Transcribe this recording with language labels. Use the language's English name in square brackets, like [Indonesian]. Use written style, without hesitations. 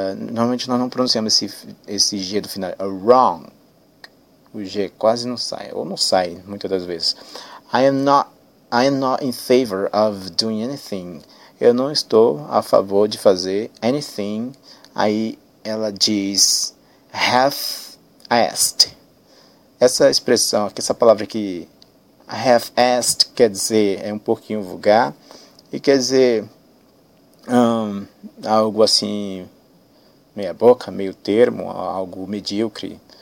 [Portuguese] Normalmente nós não pronunciamos esse G do final, wrong. O G quase não sai, ou não sai muitas das vezes. [English] I am not in favor of doing anything. [Portuguese] Eu não estou a favor de fazer anything. Aí ela diz, half-assed. Essa expressão aqui, essa palavra aqui, half-assed, quer dizer, é um pouquinho vulgar. E quer dizer, algo assim, meia boca, meio termo, algo medíocre.